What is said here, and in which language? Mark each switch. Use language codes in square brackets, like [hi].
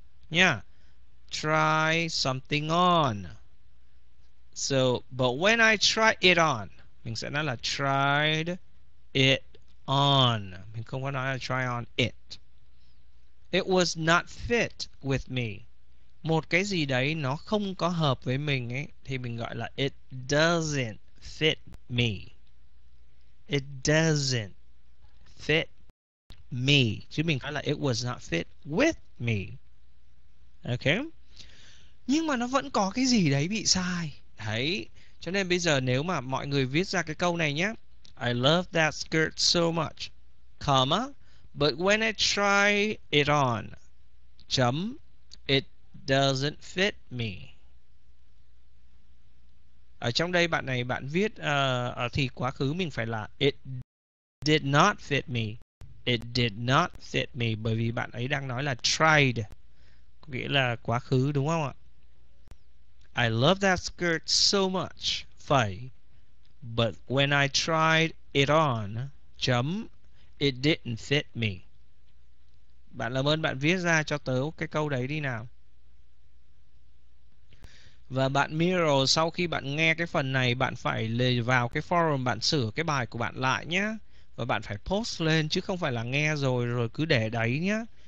[en] Nha. Yeah. Try something on. So, but when I try it on, [vi] mình sẽ nói là [en] tried it on. [vi] Mình không có nói là [en] try on it. It was not fit with me. [vi] Một cái gì đấy nó không có hợp với mình ấy thì mình gọi là [en] it doesn't fit me. It doesn't fit me. [vi] Chứ mình gọi là [en] it was not fit with me. Okay. [vi] Nhưng mà nó vẫn có cái gì đấy bị sai. Đấy. Cho nên bây giờ nếu mà mọi người viết ra cái câu này nhé. [en] I love that skirt so much, comma, but when I try it on, [vi] chấm, [en] it doesn't fit me. [vi] Ở trong đây bạn này bạn viết thì quá khứ mình phải là [en] it did not fit me. It did not fit me [vi] bởi vì bạn ấy đang nói là tried. Có nghĩa là quá khứ đúng không ạ? [en] I love that skirt so much. [vi] Phải. [en] But when I tried it on, [vi] chấm, [en] it didn't fit me. [vi] Bạn làm ơn bạn viết ra cho tớ cái câu đấy đi nào. Và bạn Miro, sau khi bạn nghe cái phần này, bạn phải lên vào cái forum, bạn sửa cái bài của bạn lại nhé. Và bạn phải post lên, chứ không phải là nghe rồi rồi cứ để đấy nhé.